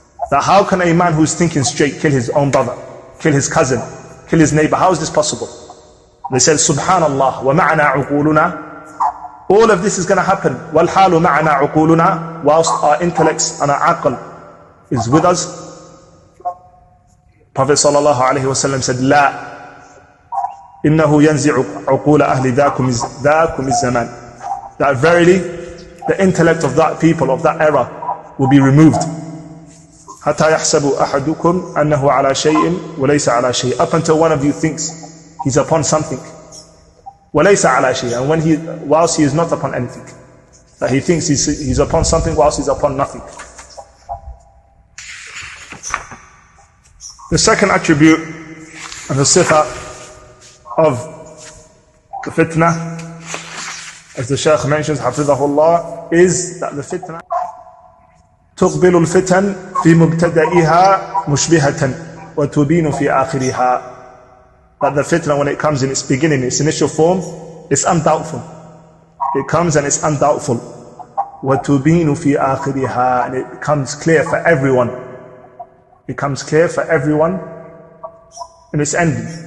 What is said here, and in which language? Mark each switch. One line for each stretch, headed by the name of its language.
English: That how can a man who's thinking straight kill his own brother, kill his cousin, kill his neighbor? How is this possible? They said,
Arabic: سبحان الله. ومعنا عقولنا.
English: All of this is going to happen.
Arabic: والحال معنا عقولنا.
English: Whilst our intellects and our aql is with us.
Arabic: Prophet صلى الله عليه وسلم said, لا. إِنَّهُ يَنْزِعُ عُقُولَ أَهْلِ ذَاكُمِ الزَّمَانِ.
English: That verily, the intellect of that people, of that era, will be removed.
Arabic: حَتَّى يَحْسَبُ أَحَدُكُمْ أَنَّهُ عَلَى شَيْءٍ وَلَيْسَ عَلَى شَيْءٍ.
English: Up until one of you thinks he's upon something.
Arabic: وَلَيْسَ عَلَى شَيْءٍ.
English: And whilst he is not upon anything. That he thinks he's upon something whilst he's upon nothing. The second attribute and the sifa of the fitna, as the Shaykh mentions, حفظه الله, is that the fitna
Arabic: تقبل الفتن في مبتدئها مشبهة وتبين في آخرها.
English: But the fitna, when it comes in its beginning, its initial form, it's undoubtful. It comes and it's undoubtful.
Arabic: وَتُبِينُ فِي آخِرِهَا.
English: And it becomes clear for everyone. It comes clear for everyone in its ending.